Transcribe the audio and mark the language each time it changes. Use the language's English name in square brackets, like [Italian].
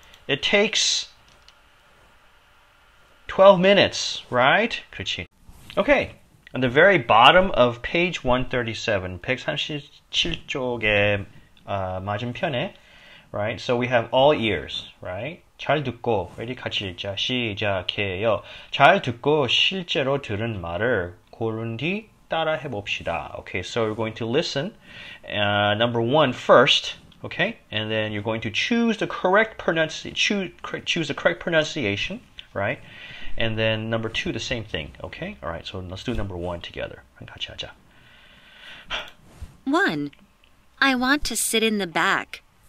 [English] It takes 12 minutes, right? [Korean] 그렇지. [English] Okay. On the very bottom of page 137, [Korean] 137쪽에 맞은편에, [English] right? So we have all ears, right? [Korean] 잘 듣고, [English] ready? [Korean] 같이 읽자. 시작해요. 잘 듣고 실제로 들은 말을 고른 뒤 따라해 봅시다. [English] Okay, so you're going to listen number one first, okay? And then you're going to choose the correct pronunciation, right? And then number two, the same thing, okay? All right, so let's do number one together. [Korean] 같이 하자. [English] One, I want to sit in the back.